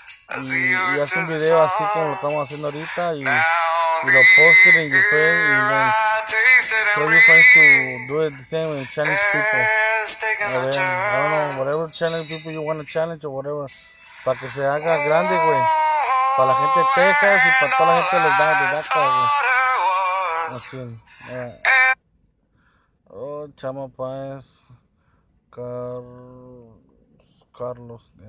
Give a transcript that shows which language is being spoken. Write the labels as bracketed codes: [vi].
[es] Y haz un video así como lo estamos haciendo ahorita. Y lo postes en your face. [en] Show your friends to do it the same and challenge people. [es] A ver, [en] I don't know, whatever challenge people you want to challenge or whatever. [es] Para que se haga grande, güey. Para la gente de Texas y para toda la gente de DACA, güey. Oh, Chama Páez. Carlos.